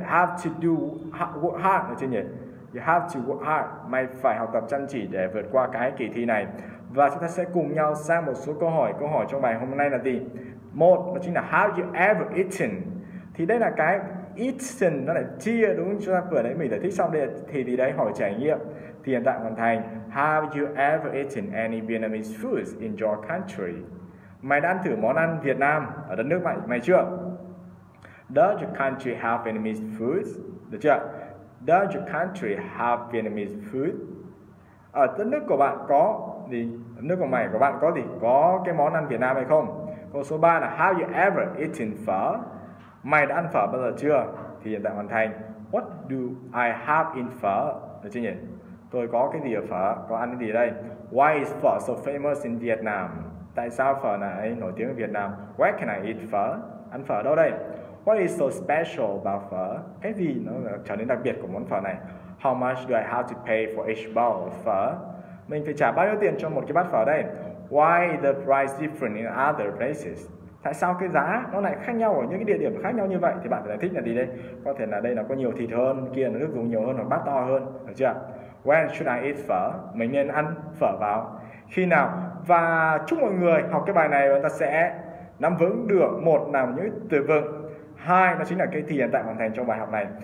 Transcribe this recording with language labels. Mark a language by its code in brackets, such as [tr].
[en] Have to do work hard [vi] ở trên nhỉ. [en] You have to work hard, [vi] mày phải học tập chăm chỉ để vượt qua cái kỳ thi này. Và chúng ta sẽ cùng nhau sang một số câu hỏi. Câu hỏi trong bài hôm nay là gì? Một, đó chính là [en] have you ever eaten? [vi] Thì đây là cái eaten, nó lại chia, đúng không? Chúng ta vừa đấy mình giải thích xong đây, thì đấy hỏi trải nghiệm. Thì hiện tại hoàn thành. [en] Have you ever eaten any Vietnamese foods in your country? [vi] Mày đã ăn thử món ăn Việt Nam ở đất nước mày chưa? [en] Does your country have Vietnamese foods? [vi] Được chưa? [en] Does your country have Vietnamese food? [vi] Ở đất nước của bạn có gì? Đất nước của mày của bạn có gì? Có cái món ăn Việt Nam hay không? Câu số 3 là [en] have you ever eaten phở? [vi] Mày đã ăn phở bao giờ chưa? Thì hiện tại hoàn thành. [en] What do I have in phở? [vi] Được chưa nhỉ? Tôi có cái gì ở phở? Có ăn cái gì đây? [en] Why is phở so famous in Vietnam? [vi] Tại sao phở này nổi tiếng ở Việt Nam? [en] Where can I eat phở? [vi] Ăn phở ở đâu đây? [en] What is so special about phở? [vi] Cái gì nó trở nên đặc biệt của món phở này? [en] How much do I have to pay for each bowl of phở? [vi] Mình phải trả bao nhiêu tiền cho một cái bát phở đây? [en] Why is the price different in other places? [vi] Tại sao cái giá nó lại khác nhau ở những cái địa điểm khác nhau như vậy? Thì bạn phải giải thích là gì đây? Có thể là đây nó có nhiều thịt hơn, kia nó nước dùng nhiều hơn hoặc bát to hơn, được chưa? [en] When should I eat phở? [vi] Mình nên ăn phở vào khi nào? Và chúc mọi người học cái bài này, chúng ta sẽ nắm vững được một là những từ vựng, hai nó chính là cái thì hiện tại hoàn thành trong bài học này.